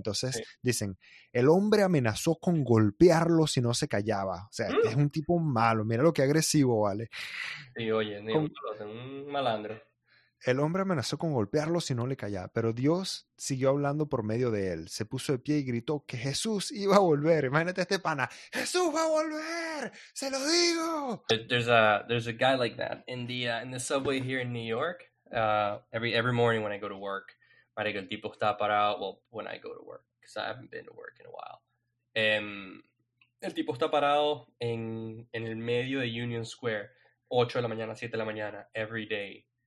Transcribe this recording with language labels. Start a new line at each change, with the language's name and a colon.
Spanish: Entonces dicen, el hombre amenazó con golpearlo si no se callaba. O sea, es un tipo malo, mira lo que agresivo, ¿vale? Sí, oye, un malandro. El hombre amenazó con golpearlo si no le callaba, pero Dios siguió hablando por medio de él. Se puso de pie y gritó que Jesús iba a volver. Imagínate este pana. ¡Jesús va a volver! ¡Se lo digo!
English: There's a guy like that in the subway here in New York. Every morning when I go to work, marico,
Spanish: el tipo está parado.
English: Well, when I go to work, because I haven't been to work in a while.
Spanish: El tipo está parado en el medio de Union Square, 8 de la mañana, 7 de la mañana,
English: every day.